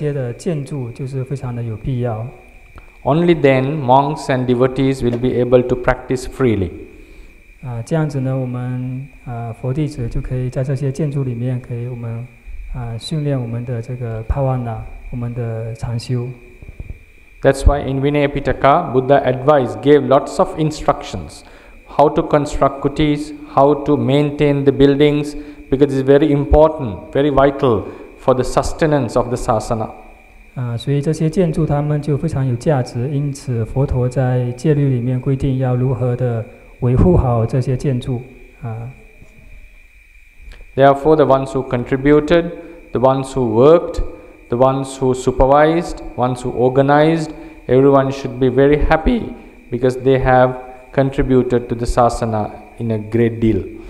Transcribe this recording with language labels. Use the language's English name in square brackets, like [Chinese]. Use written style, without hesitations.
[Chinese] 如果要支持我们佛陀的教法呢，那这些的建筑就是非常的有必要。 [English] Only then monks and devotees will be able to practice freely. [Chinese] 这样子呢，我们佛弟子就可以在这些建筑里面，可以我们训练我们的这个帕瓦那，我们的禅修。 [English] That's why in Vinaya Pitaka, Buddha advised, gave lots of instructions how to construct kutis, how to maintain the buildings, because it's very important, very vital for the sustenance of the sasana. [Chinese] 所以这些建筑它们就非常有价值，因此佛陀在戒律里面规定要如何的维护好这些建筑。Therefore, [English] the ones who contributed, the ones who worked, the ones who supervised, ones who organized, everyone should be very happy because they have contributed to the sasana in a great deal.